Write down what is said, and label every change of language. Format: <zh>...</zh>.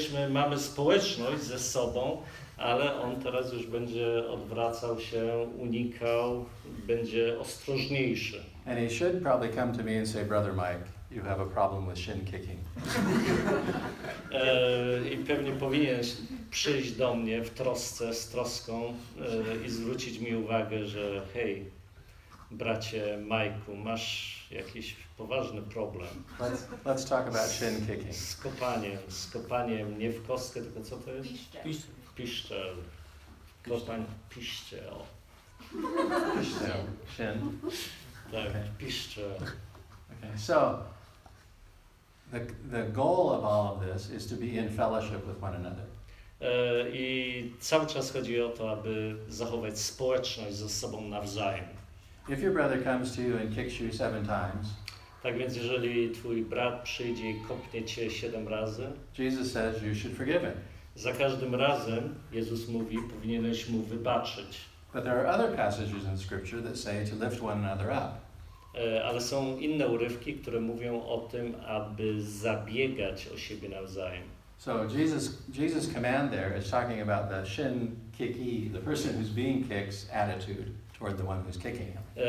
<pl>Mamy społeczność ze sobą, ale on teraz już będzie odwracał się, unikał, będzie ostrożniejszy.</pl> <en>And he should probably come to me and say, Brother Mike, you have a problem with shin kicking.</en> <pl>I pewnie powinien przyjść do mnie w trosce, z troską i zwrócić mi uwagę, że hej, bracie Majku, masz jakiś poważny problem.</pl> <en>Let's talk about shin kicking.</en> <pl>Z kopaniem, nie w kostkę, tylko co to jest? Piszczel. Kopań piszczel. Piszczel. Shin. Tak, okay. Piszczel. Okay.</pl> <en>So, the goal of all of this is to be in fellowship with one another.</en> <pl>I cały czas chodzi o to, aby zachować społeczność ze sobą nawzajem.</pl> <en>If your brother comes to you and kicks you seven times,</en> <pl>tak więc jeżeli twój brat przyjdzie i kopnie cię siedem razy,</pl> <en>Jesus says you should forgive him.</en> <pl>Za każdym razem Jezus mówi, powinieneś mu wybaczyć.</pl> <en>But there are other passages in scripture that say to lift one another up.</en> <pl>Ale są inne urywki, które mówią o tym, aby zabiegać o siebie nawzajem.</pl> <en>So Jesus' command there is talking about the shin kiki, the person who's being kicked's attitude toward the one who's kicking him.</en>